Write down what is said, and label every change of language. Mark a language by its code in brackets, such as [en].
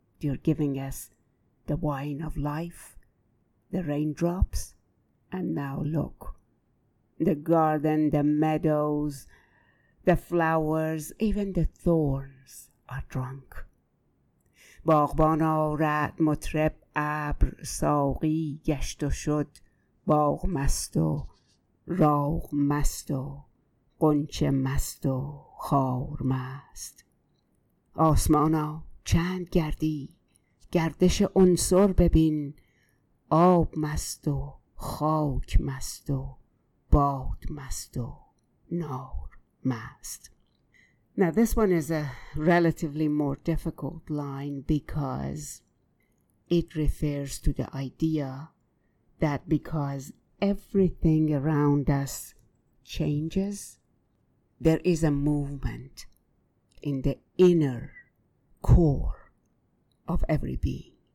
[en] They're giving us the wine of life, the raindrops. And now look, the garden, the meadows, the flowers, even the thorns are drunk. [fa] باغبانا رعد مطرب ابر ساقی گشت و شد باغ مست و راغ مست و قنچه مست و خار مست. آسمانا چند گردی گردش عنصر ببین آب مست و خاک مست و باد مست و نار مست. [en] Now this one is a relatively more difficult line because it refers to the idea that because everything around us changes, there is a movement in the inner core of every being.